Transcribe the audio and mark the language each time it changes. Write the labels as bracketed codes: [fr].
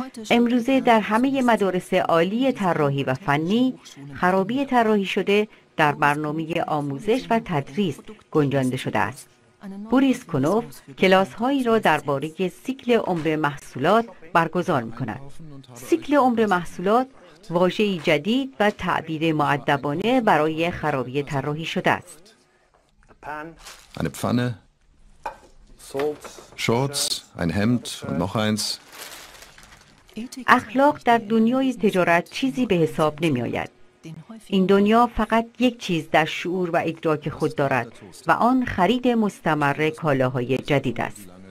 [fa] امروزه در همه مدارس عالی طراحی و فنی، خرابی طراحی شده در برنامه آموزش و تدریس گنجانده شده است. بوریس کنوف کلاس هایی را درباره سیکل عمر محصولات برگزار می کند. سیکل عمر محصولات واژه‌ای جدید و تعبیر مؤدبانه برای خرابی طراحی شده است. [de] Eine Pfanne, Shorts, ein Hemd und noch eins. [fa] اخلاق در دنیای تجارت چیزی به حساب نمی آید. این دنیا فقط یک چیز در شعور و ادراک خود دارد و آن خرید مستمر کالاهای جدید است.